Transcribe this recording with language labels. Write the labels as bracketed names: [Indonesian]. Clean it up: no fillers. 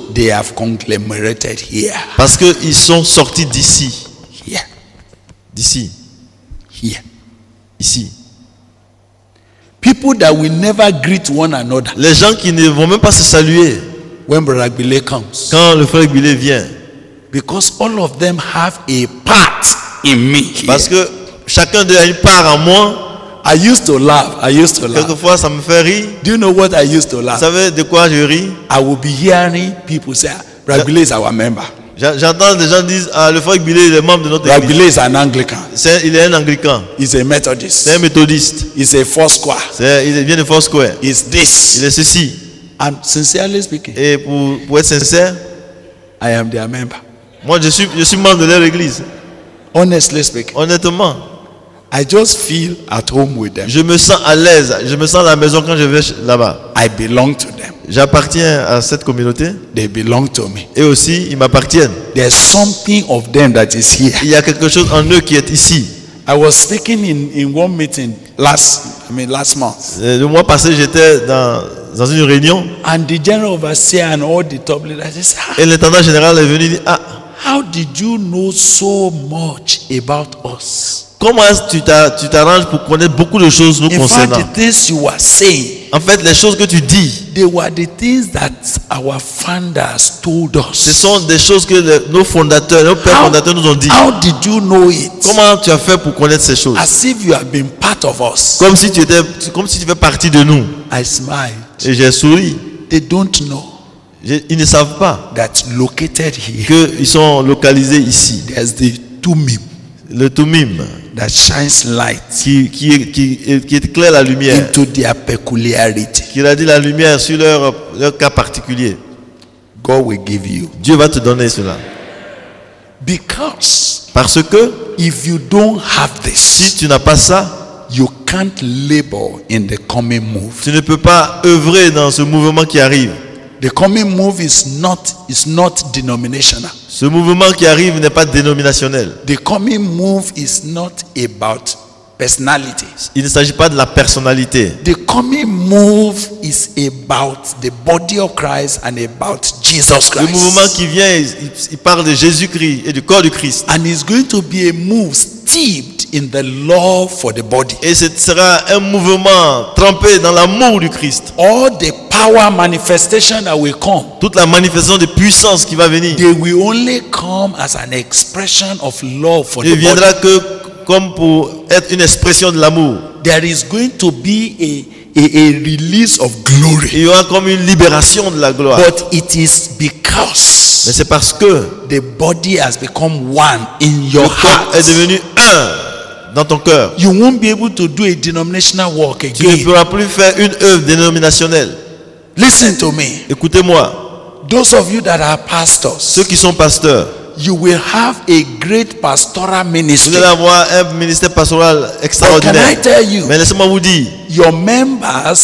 [English] They have conglomerated here. [French] Parce que ils sont sortis d'ici. [English] Here. [French] D'ici. [English] Here. [French] Ici. [English] People that will never greet one another. [French] Les gens qui ne vont même pas se saluer. [English] When Brother Gbile comes, [French] quand le frère Gbile vient, [English] because all of them have a part in me. [French] Parce que chacun d'eux a une part en moi. [English] I used to laugh. [French] Quelquefois, ça me fait rire. [English] Do you know what I used to laugh? [French] Vous savez de quoi je ris? [English] I will be hearing people say, Brother Gbile is our member. [French] J'entends des gens disent, ah, le frère Gbile est le membre de notre [English] Brother [French] église. [English] Brother Gbile is an Anglican. [French] Il est un Anglican. [English] He's a Methodist. [French] C'est un méthodiste. [English] He's a Four Square. [French] Il vient de Four Square. [English] He's this. [French] Il est ceci. [English] And sincerely speaking, [French] et pour être sincère, [English] I am their member. [French] Moi, je suis membre de leur église. [English] Honestly speaking, [French] honnêtement, [English] I just feel at home with them. [French] Je me sens à l'aise. Je me sens à la maison quand je vais là-bas. [English] I belong to them. [French] J'appartiens à cette communauté. [English] They belong to me. [French] Et aussi, ils m'appartiennent. [English] There's something of them that is here. [French] Il y a quelque chose en eux qui est ici. [English] I was speaking in one meeting last month. [French] Le mois passé, j'étais dans une réunion. [English] And the general overseer and all the top leaders. I said, [French] et l'intendant général est venu dire, ah. [English] How did you know so much about us? [French] Comment est-ce que tu t'arranges pour connaître beaucoup de choses nous concernant? [English] In fact, the things you were saying. [French] En fait, les choses que tu dis. [English] They were the things that our founders told us. [French] Ce sont des choses que nos fondateurs, nos pères fondateurs nous ont dit. [English] How did you know it? [French] Comment tu as fait pour connaître ces choses? [English] As if you have been part of us. [French] Comme si tu fais partie de nous. [English] I smiled. [French] Et j'ai souri. [English] They don't know. [French] Ils ne savent pas. [English] That's located here. [French] Que ils sont localisés ici. [English] There's the Thummim. [French] Le Thummim. [English] That shines light. [French] Qui éclaire la lumière. [English] Into their peculiarity. [French] Qui radie la lumière sur leur cas particulier. [English] God will give you. [French] Dieu va te donner cela. [English] Because [French] parce que [English] if you don't have this, [French] si tu n'as pas ça, [English] you can't labor in the coming move. [French] Tu ne peux pas œuvrer dans ce mouvement qui arrive. [English] The coming move is not denominational. [French] Ce mouvement qui arrive n'est pas dénominationnel. [English] The coming move is not about personality. [French] Il ne s'agit pas de la personnalité. [English] The coming move is about the body of Christ and about Jesus Christ. [French] Le mouvement qui vient, il parle de Jésus-Christ et du corps du Christ. [English] And it's going to be a move steeped in the love for the body. [French] Et ce sera un mouvement trempé dans l'amour du Christ. [English] All the power manifestation that will come. [French] Toute la manifestation de puissance qui va venir. [English] They will only come as an expression of love for the body. [French] Il viendra que comme pour être une expression de l'amour. [English] There is going to be a release of glory. [French] Il y aura comme une libération de la gloire. [English] But it is because. [French] Mais c'est parce que [English] the body has become one in your heart. [French] Le corps est devenu un dans ton cœur. [English] You won't be able to do a denominational work again. [French] Tu ne pourras plus faire une œuvre dénominationnelle. [English] Listen to me. [French] Écoutez-moi. [English] Those of you that are pastors. [French] Ceux qui sont pasteurs. [English] You will have a great pastoral ministry. [French] Vous allez avoir un ministère pastoral extraordinaire. [English] But can I tell you, [French] mais laissez-moi vous dire, [English] your members